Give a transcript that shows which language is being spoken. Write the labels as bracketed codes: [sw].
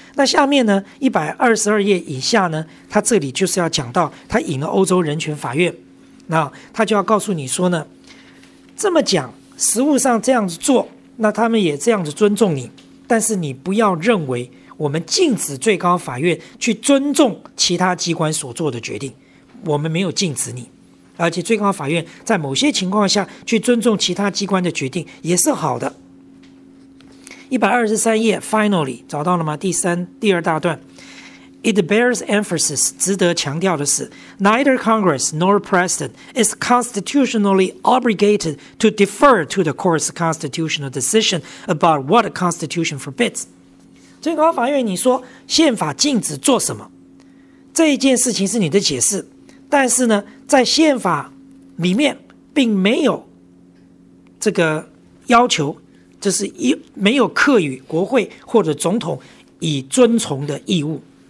[zh] 那下面呢，122页以下呢，他这里就是要讲到他引了欧洲人权法院，那他就要告诉你说呢，这么讲实务上这样子做，那他们也这样子尊重你，但是你不要认为我们禁止最高法院去尊重其他机关所做的决定，我们没有禁止你，而且最高法院在某些情况下去尊重其他机关的决定也是好的。 123页 finally 找到了吗？第二大段 [en] It bears emphasis [zh] 值得强调的是 [en] Neither Congress nor President is constitutionally obligated to defer to the court's constitutional decision about what the Constitution forbids。 [zh] 最高法院你说宪法禁止做什么，这一件事情是你的解释，但是呢，在宪法里面并没有这个要求，就是没有课予国会或者总统以遵从的义务。